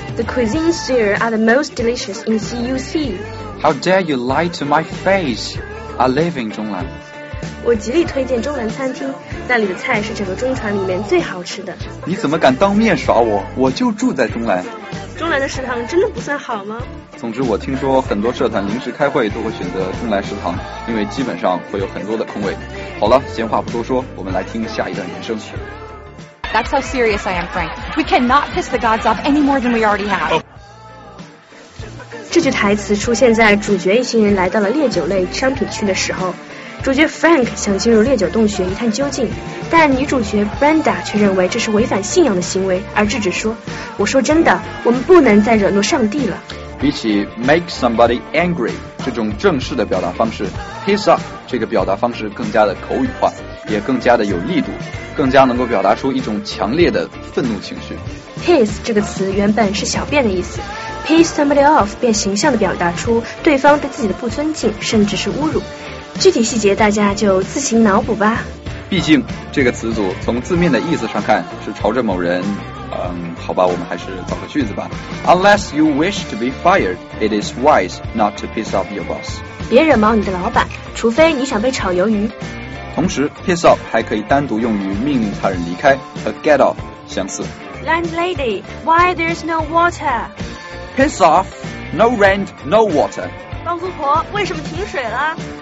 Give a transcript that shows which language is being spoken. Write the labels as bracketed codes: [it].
[en] The cuisines there are the most delicious in CUC. How dare you lie to my face? I live in Zhonglan. [zh] 我极力推荐中南餐厅，那里的菜是整个中传里面最好吃的。你怎么敢当面耍我？我就住在中南。中南的食堂真的不算好吗？总之我听说很多社团临时开会都会选择中南食堂，因为基本上会有很多的空位。好了，闲话不多说，我们来听下一段原声。 [en] That's how serious I am, Frank. We cannot piss the gods off any more than we already have.、Oh. [zh] 这句台词出现在主角一行人来到了烈酒类商品区的时候，主角 Frank 想进入烈酒洞穴一探究竟，但女主角 Brenda 却认为这是违反信仰的行为，而制止说，我说真的，我们不能再惹怒上帝了。比起 [en] make somebody angry [zh] 这种正式的表达方式， piss off 这个表达方式更加的口语化，也更加的有力度，更加能够表达出一种强烈的愤怒情绪。 piss 这个词原本是小便的意思， [en] Piss somebody off [zh] 便形象地表达出对方对自己的不尊敬甚至是侮辱，具体细节大家就自行脑补吧。毕竟这个词组从字面的意思上看是朝着某人，好吧，我们还是造个句子吧。 [en] Unless you wish to be fired, it is wise not to piss off your boss. [zh] 别惹毛你的老板，除非你想被炒鱿鱼。同时 piss off 还可以单独用于命令他人离开，和 get off 相似。 [en] Landlady, why there's no water? Piss off, no rent, no water. [zh] 房租婆，为什么停水了？